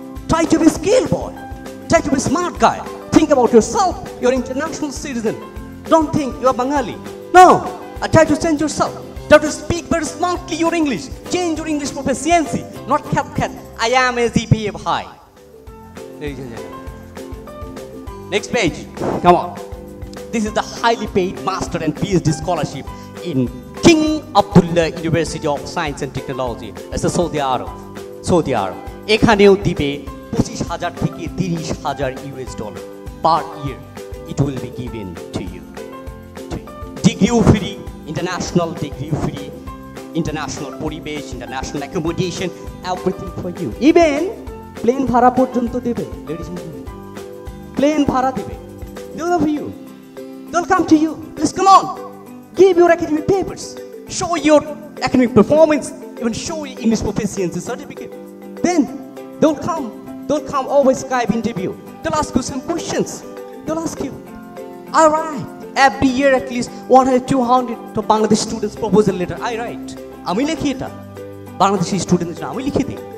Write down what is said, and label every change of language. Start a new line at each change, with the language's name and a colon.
English: Try to be skill boy, try to be smart guy, think about your self, you are international citizen, don't think you are Bengali, now try to change your self, try to speak very smartly your English, change your English proficiency, not খ্যাপ খ্যাপ, I am a GP ভাই। Next page, come on. This is the highly paid master and PhD scholarship in King Abdullah University of Science and Technology. It's a Saudi Arab. Saudi Arab.
Bangla: Ekhaneo dibe 25,000 theke 30,000
English: US dollar per year. It will be given to you. Degree free, international degree free, international poribesh, international accommodation, everything for you.
Bangla: Even plane ভাড়া পর্যন্ত দেবে,
English: ladies and gentleman,
Bangla: plane ভাড়া দেবে।
English: they love you, they will come to you, please come on, give your academic papers, show your academic performance, even show your English proficiency certificate, then they will come, they will come always Skype interview, they will ask you some questions, they will ask you, all right, every year at least 100-200 to Bangladesh students proposal letter, I write,
Bangla: আমি লিখি এটা, বাংলাদেশি স্টুডেন্টের জন্য আমি লিখে দিই।